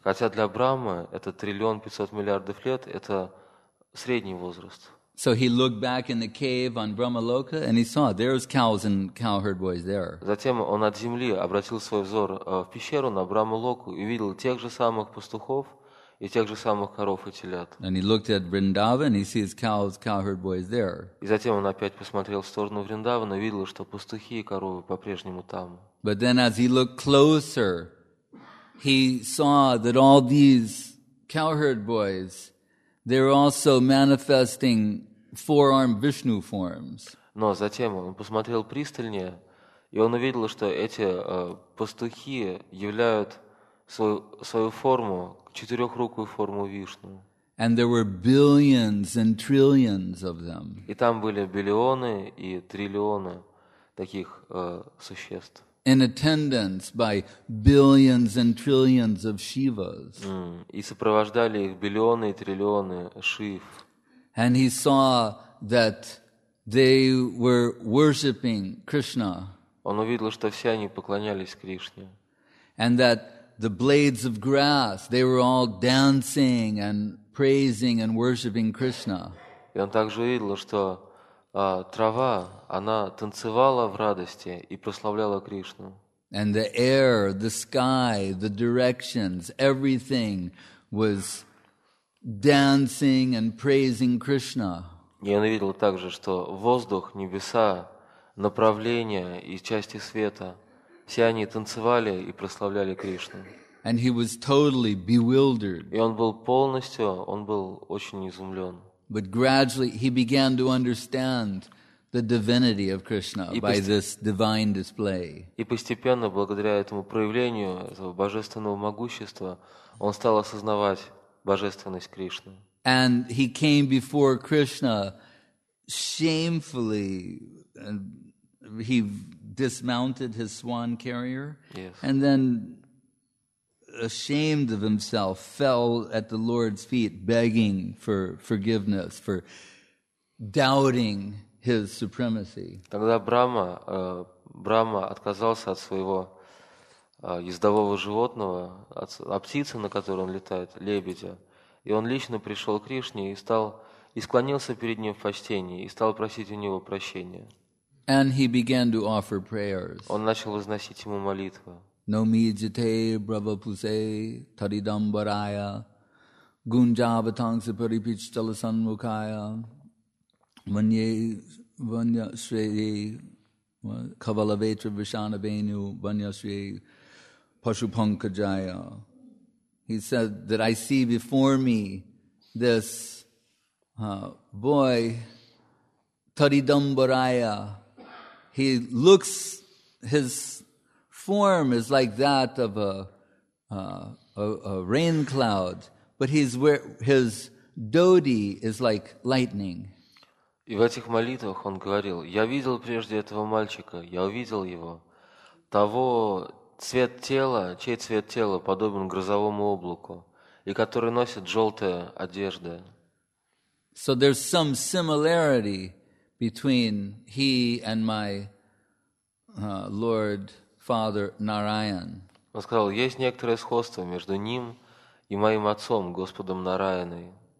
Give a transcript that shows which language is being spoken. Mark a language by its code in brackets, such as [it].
[ru] Хотя для Брахмы это триллион 500 миллиардов лет, это средний возраст. [en] So he looked back in the cave on Brahmaloka and he saw there's cows and cowherd boys there. [ru] Затем он от земли обратил свой взор в пещеру на Брамалоку и увидел тех же самых пастухов и тех же самых коров и телят. [en] And he looked at Vrindavan and he sees cows, cowherd boys there. [ru] И затем он опять посмотрел в сторону Вриндавана и увидел, что пастухи и коровы по-прежнему там. [en] But then as he looked closer, he saw that all these cowherd boys, they're also manifesting four-armed Vishnu forms. [ru] Но затем он посмотрел пристальнее, и он увидел, что эти пастухи являют свою форму, четырехрукую форму Вишну. [en] And there were billions and trillions of them. [ru] И там были биллионы и триллионы таких существ. [en] In attendance by billions and trillions of Shivas. [ru] И сопровождали их биллионы и триллионы Шив. [en] And he saw that they were worshipping Krishna. [ru] Он увидел, что все они поклонялись Кришне. [en] And that the blades of grass, they were all dancing and praising and worshipping Krishna. [ru] И он также увидел, что трава, она танцевала в радости и прославляла Кришну. [en] And the air, the sky, the directions, everything was dancing and praising Krishna. [ru] И он видел также, что воздух, небеса, направления и части света, все они танцевали и прославляли Кришну. [en] And he was totally bewildered. [ru] И он был полностью, он был очень изумлен. [en] But gradually he began to understand the divinity of Krishna by this divine display. [ru] И постепенно, благодаря этому проявлению этого божественного могущества, он стал осознавать божественность Кришны. [en] And he came before Krishna shamefully, and he dismounted his swan carrier, yes, and then ashamed of himself, fell at the Lord's feet, begging for forgiveness, for doubting his supremacy. [ru] Тогда Брама, Брама отказался от своего ездового животного, от птицы, на которой он летает, лебедя, и он лично пришел к Кришне и стал, и склонился перед ним в почтении, и стал просить у него прощения. [en] And he began to offer prayers. [ru] Он начал возносить ему молитвы. [sa] Номиджите Брабапусе Таридамбарая Гунджаватангса Парипичталасанмукая Ванье Ванья Шри Кавалаветра Вишанавеню Ванья Шри Пашупанкаджая. [en] He said that I see before me this boy Таридамбарая. He looks, his form is like that of a rain cloud, but his dhoti is like lightning. [ru] И в этих молитвах он говорил: я видел прежде этого мальчика, я увидел его, того цвет тела, чей цвет тела подобен грозовому облаку, и который носит желтые одежды. [en] So there's some similarity between he and my Lord. Father Narayan. [ru] Он сказал, есть некоторое сходство между ним и моим отцом, Господом Нараяной.